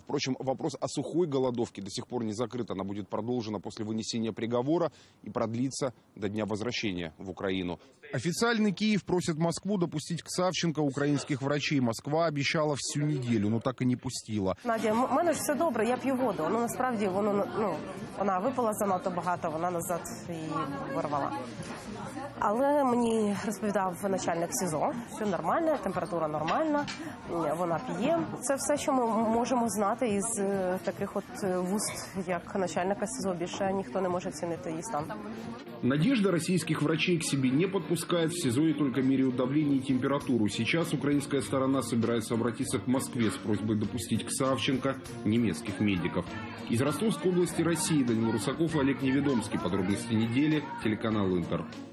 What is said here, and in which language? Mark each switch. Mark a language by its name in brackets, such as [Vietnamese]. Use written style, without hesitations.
[Russian] Впрочем, вопрос о сухой голодовке до сих пор не закрыт. Она будет продолжена после вынесения приговора и продлится до дня возвращения в Украину. Официальный Киев просит Москву допустить к Савченко украинских врачей. Москва обещала всю неделю, но так и не пустила. Надя, у меня все добре, я пью воду. [Ukrainian] Ну, насправді, воно, ну, вона випила занадто багато, вона назад її вирвала. Але мені розповідав начальник СІЗО, все нормально, температура нормальна, вона п'є. Це все, що ми можемо знати із таких от вуст, як начальника СІЗО. Більше ніхто не може оцінити її стан. [Russian] Надежда российских врачей к себе не подпускает. В СИЗО и только меряют давление и температуру. Сейчас украинская сторона собирается обратиться к Москве с просьбой допустить к Савченко немецких медиков. Из Ростовской области России Данил Русаков и Олег Неведомский. Подробности недели. Телеканал Интер.